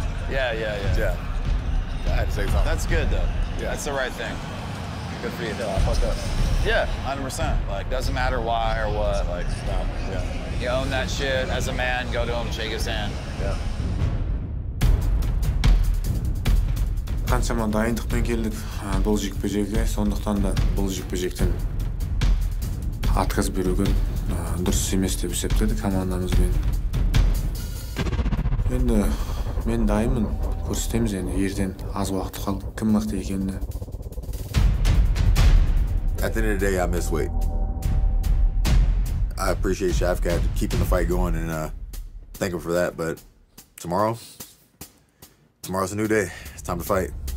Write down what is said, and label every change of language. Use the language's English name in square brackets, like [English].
[English] Yeah. I had to say something. That's good, though. Yeah. That's the right thing. Good for you, though. I fucked up. Yeah, 100%. Like, doesn't matter why or what. Like, no. Yeah. You own that shit. As a man, go to him, shake his hand. Yeah. [Kazakh] Қаншама дайындықпен келдік бұл жекпе-жекке, сондықтан да бұл жекпе-жектен отказ беруден дұрыс емес деп есептеді командамызбен. Енді мен дайынмын, көрсетеміз енді ерден аз уақыт қалды, кім мықты екенін. [English] At the end of the day, I miss weight. I appreciate Shavkat keeping the fight going and thank him for that, but tomorrow's a new day. It's time to fight.